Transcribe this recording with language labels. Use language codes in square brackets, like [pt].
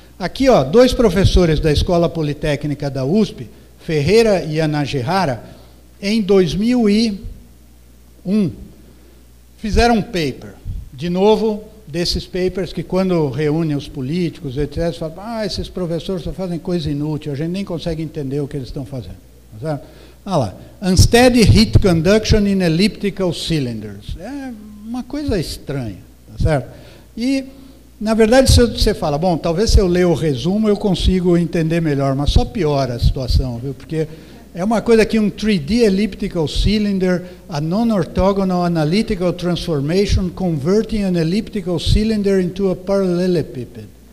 [pt] Aqui, ó, dois professores da Escola Politécnica da USP, Ferreira e Ana Gihara, em 2001, fizeram um paper. De novo, desses papers que quando reúnem os políticos, etc., falam, ah, esses professores só fazem coisa inútil, a gente nem consegue entender o que eles estão fazendo. Olha lá, [en] Unsteady Heat Conduction in Elliptical Cylinders. [pt] É uma coisa estranha, tá certo? E, na verdade, se você fala, bom, talvez se eu ler o resumo eu consigo entender melhor, mas só piora a situação, viu? Porque é uma coisa que um [en] 3D elliptical cylinder, a non-orthogonal analytical transformation converting an elliptical cylinder into a parallelepiped.